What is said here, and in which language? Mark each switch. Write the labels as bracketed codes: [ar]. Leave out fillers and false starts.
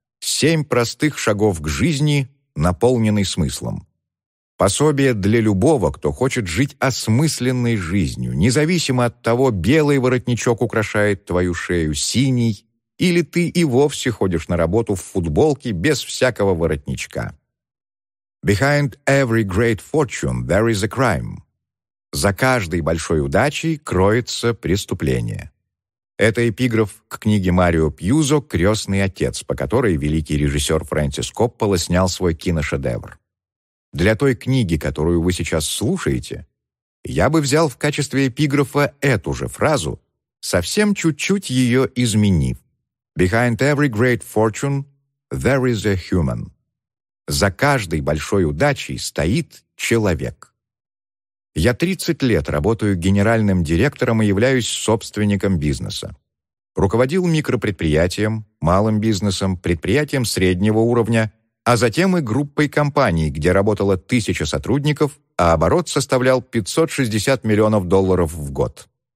[ru] 7 простых шагов к жизни, наполненной смыслом. Пособие для любого, кто хочет жить осмысленной жизнью, независимо от того, белый воротничок украшает твою шею, синий, или ты и вовсе ходишь на работу в футболке без всякого воротничка. [en] Behind every great fortune there is a crime. [ru] За каждой большой удачей кроется преступление. Это эпиграф к книге Марио Пьюзо «Крестный отец», по которой великий режиссер Фрэнсис Коппола снял свой киношедевр. Для той книги, которую вы сейчас слушаете, я бы взял в качестве эпиграфа эту же фразу, совсем чуть-чуть ее изменив. [en] Behind every great fortune, there is a human. [ru] За каждой большой удачей стоит человек. Я 30 лет работаю генеральным директором и являюсь собственником бизнеса. Руководил микропредприятием, малым бизнесом, предприятием среднего уровня, а затем и группой компаний, где работало 1000 сотрудников, а оборот составлял 560 миллионов долларов в год.